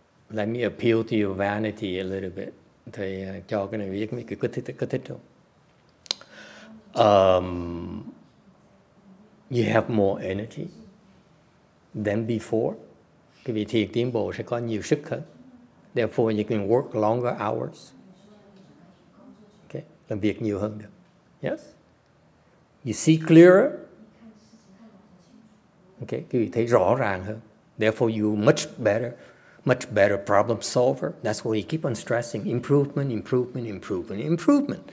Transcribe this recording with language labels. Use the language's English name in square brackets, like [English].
[English] Let me appeal to your vanity a little bit. [Vietnamese] Thầy cho cái này biết mấy cái kích thích không? [English] You have more energy than before. [Vietnamese] Cái vị thiền tiến bộ sẽ có nhiều sức hơn. [English] Therefore, you can work longer hours. [Vietnamese] Okay, làm việc nhiều hơn được. [English] Yes. You see clearer. [Vietnamese] Okay, cái vị thấy rõ ràng hơn. [English] Therefore, you much better. Much better problem solver. That's why you keep on stressing improvement, improvement, improvement, improvement.